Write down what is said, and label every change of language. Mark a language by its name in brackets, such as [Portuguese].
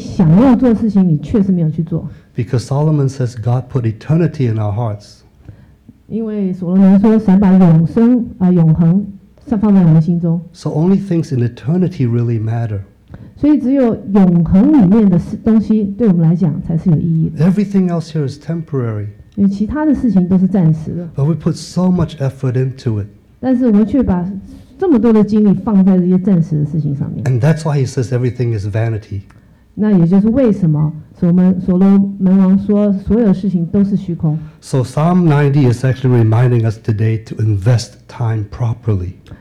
[Chinese] 你不会后悔说你哪些事情没做，你只会后悔说你一些你想要做的事情，你确实没有去做。 [English] Because Solomon says God put eternity in our hearts. [Chinese] 因为所罗门说神把永恒放在我们心中。 [English] So only things in eternity really matter. [Chinese] 所以只有永恒里面的东西对我们来讲才是有意义的。 [English] Everything else here is temporary. [Chinese] 因为其他的事情都是暂时的。 [English] But we put so much effort into it. [Chinese] 但是我们却把 这么多的精力放在这些暂时的事情上面。 [English] And that's why he says everything is vanity. [Chinese] 那也就是为什么所罗门王说所有事情都是虚空。 [English] So Psalm 90 is actually reminding us today to invest time properly.